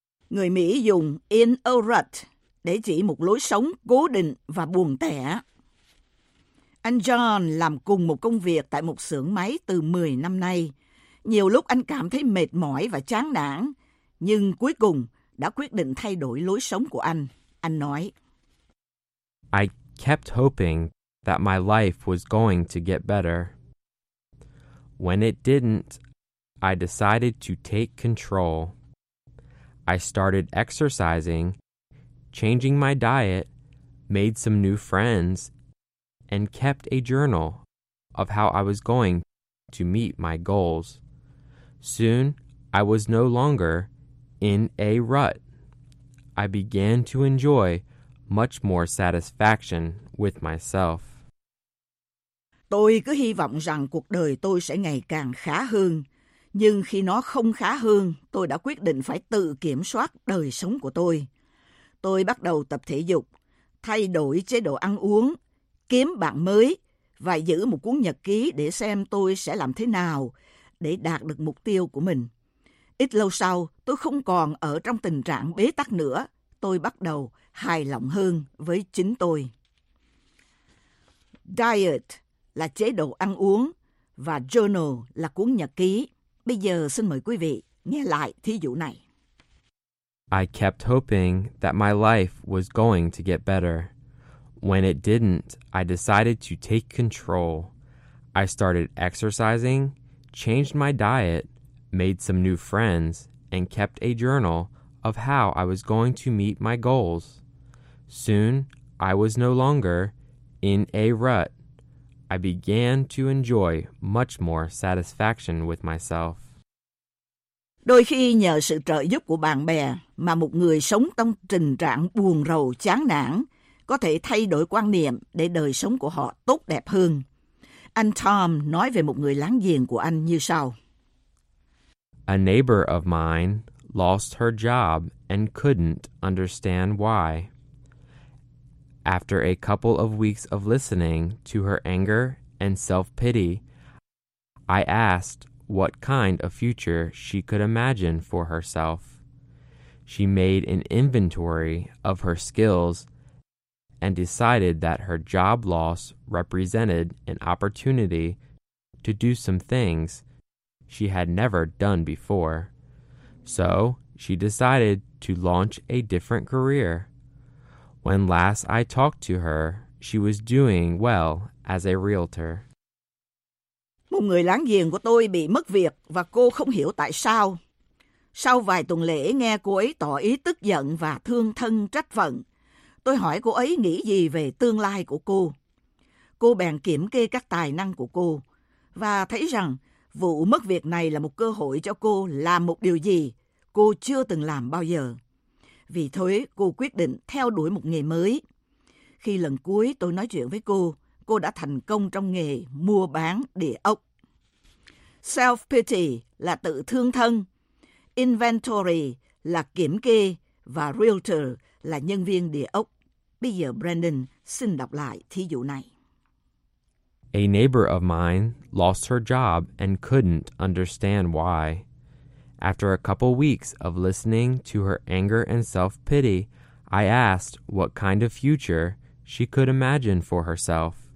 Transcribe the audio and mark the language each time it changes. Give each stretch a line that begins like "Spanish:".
Vietnamese: Người Mỹ dùng in a rut để chỉ một lối sống cố định và buồn tẻ. Anh John làm cùng một công việc tại một xưởng máy từ 10 năm nay. Nhiều lúc anh cảm thấy mệt mỏi và chán nản, nhưng cuối cùng đã quyết định thay đổi lối sống của anh. Anh nói,
English: I kept hoping that my life was going to get better. When it didn't, I decided to take control. I started exercising, changing my diet, made some new friends, and kept a journal of how I was going to meet my goals. Soon, I was no longer in a rut. I began to enjoy much more satisfaction with myself.
Vietnamese: Tôi cứ hy vọng rằng cuộc đời tôi sẽ ngày càng khá hơn. Nhưng khi nó không khá hơn, tôi đã quyết định phải tự kiểm soát đời sống của tôi. Tôi bắt đầu tập thể dục, thay đổi chế độ ăn uống, kiếm bạn mới và giữ một cuốn nhật ký để xem tôi sẽ làm thế nào để đạt được mục tiêu của mình. Ít lâu sau, tôi không còn ở trong tình trạng bế tắc nữa. Tôi bắt đầu hài lòng hơn với chính tôi. Diet là chế độ ăn uống và journal là cuốn nhật ký. Bây giờ xin mời quý vị nghe lại thí dụ này.
English: I kept hoping that my life was going to get better. When it didn't, I decided to take control. I started exercising, changed my diet, made some new friends, and kept a journal of how I was going to meet my goals. Soon, I was no longer in a rut. I began to enjoy much more satisfaction with myself.
Vietnamese: Đôi khi nhờ sự trợ giúp của bạn bè mà một người sống trong tình trạng buồn rầu chán nản có thể thay đổi quan niệm để đời sống của họ tốt đẹp hơn. Anh Tom nói về một người láng giềng của anh như sau.
English: A neighbor of mine lost her job and couldn't understand why. After a couple of weeks of listening to her anger and self-pity, I asked what kind of future she could imagine for herself. She made an inventory of her skills and decided that her job loss represented an opportunity to do some things she had never done before. So she decided to launch a different career. When last I talked to her, she was doing well as a realtor.
Vietnamese: Một người láng giềng của tôi bị mất việc và cô không hiểu tại sao. Sau vài tuần lễ nghe cô ấy tỏ ý tức giận và thương thân trách phận, tôi hỏi cô ấy nghĩ gì về tương lai của cô. Cô bèn kiểm kê các tài năng của cô và thấy rằng vụ mất việc này là một cơ hội cho cô làm một điều gì cô chưa từng làm bao giờ. Vì thế, cô quyết định theo đuổi một nghề mới. Khi lần cuối tôi nói chuyện với cô đã thành công trong nghề mua bán địa ốc. Self-pity là tự thương thân. Inventory là kiểm kê và realtor là nhân viên địa ốc. Bây giờ Brandon xin đọc lại thí dụ này.
English: A neighbor of mine lost her job and couldn't understand why. After a couple weeks of listening to her anger and self-pity, I asked what kind of future she could imagine for herself.